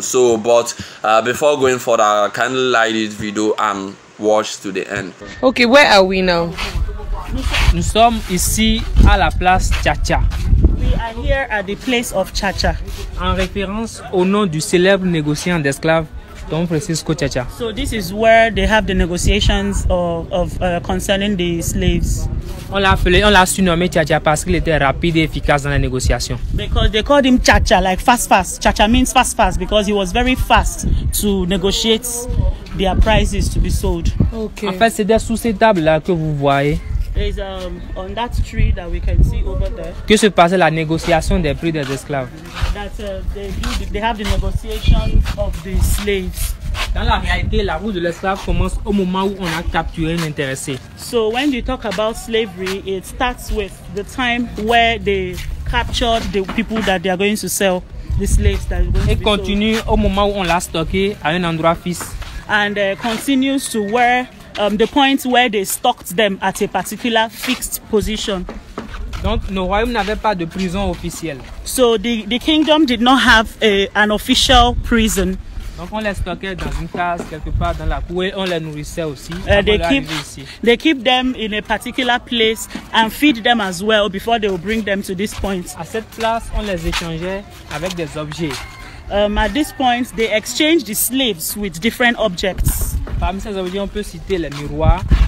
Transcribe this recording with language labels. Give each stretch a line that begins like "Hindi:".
English: So, but before going further, kindly like this video and watch to the end. Okay, where are we now?
French: Nous sommes ici à la place Chacha.
English: We are here at the place of Chacha,
French: en référence au nom du célèbre négociant d'esclaves, Don Francisco Chacha.
English: So this is where they have the negotiations of concerning the slaves.
French: On l'a surnommé Chacha parce qu'il était rapide et efficace dans la négociation.
English: Because they called him Chacha, like fast. Chacha means fast, because he was very fast to negotiate their prices to be sold. Okay.
French: En fait, c'est sous cette table là que vous voyez.
English: There's on that tree that we can see over there.
French: Que se passait la négociation des prix des esclaves?
English: That they have the negotiation of the slaves.
French: Dans la réalité, la route de l'esclave commence au moment où on a capturé un intéressé.
English: So when you talk about slavery, it starts with the time where they captured the people that they are going to sell, the slaves that are going to be sold.
French: Et continue au moment où on l'a stocké à un endroit fixe.
English: And continues to where. The point where they stocked them at a particular fixed position.
French: Donc, le royaume n'avait pas de prison officielle.
English: So the kingdom did not have an official prison.
French: Donc on les stockait dans une case quelque part dans la cour et on les nourrissait aussi.
English: They keep them in a particular place and feed them as well before they will bring them to this point.
French: À cette place, on les échangeait avec des objets.
English: At this point, they exchanged the slaves with different objects.
French: Parmi ces objets, on peut citer les miroirs.